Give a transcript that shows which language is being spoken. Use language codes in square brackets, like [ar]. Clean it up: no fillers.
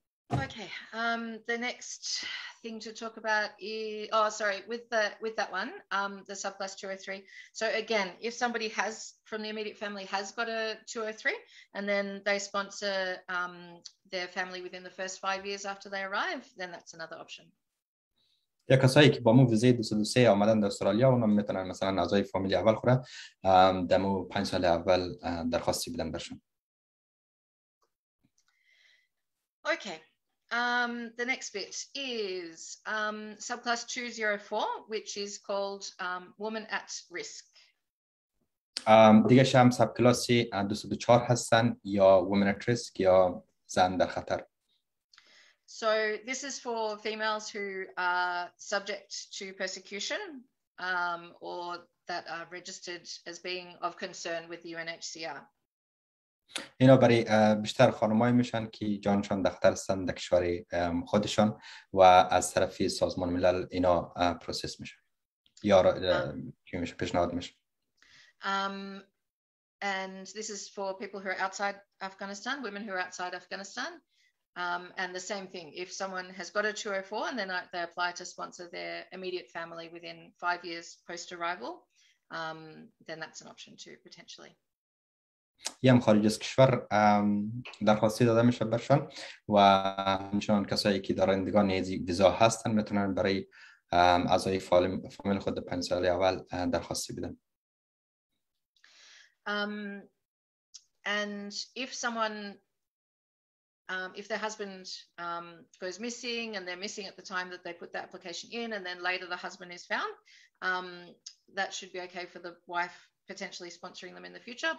[en] Okay, the next thing to talk about is, oh, sorry, with that one, the subclass 203. So again, if somebody has, from the immediate family, has got a 203, and then they sponsor their family within the first 5 years after they arrive, then that's another option. [fa] یا کسایی که با مو ویزه 203 آمدن در استرالیا، اونا میتونن مثلا اعضای فامیلی اول خوره، در مو 5 سال اول درخواستی بدن برشون. [en] Okay. The next bit is subclass 204, which is called Woman at Risk. [fa] دیگه شام سبکلاسی 204 هستن یا [en] Woman at Risk [fa] یا زن در خطر. [en] So this is for females who are subject to persecution or that are registered as being of concern with the UNHCR. [fa] اینا برای بیشتر خانمایی میشن که جانشان در خطر هستن در کشور خودشان و از طرف سازمان ملل اینا پروسس میشن یا پیشنهاد میشن. [en] And this is for people who are outside Afghanistan, women who are outside Afghanistan. And the same thing, if someone has got a 204 and then they apply to sponsor their immediate family within 5 years post arrival, then that's an option too potentially. [fa] یم خارج از کشور درخواستی داده میشه برشان و همچنان کسایی که دارندگان ویزا هستن میتونن برای اعضای فامیل خود 5 سال اول درخواستی بدن. [en] And if someone if their husband goes missing and they're missing at the time that they put the application in and then later the husband is found, that should be okay for the wife potentially sponsoring them in the future.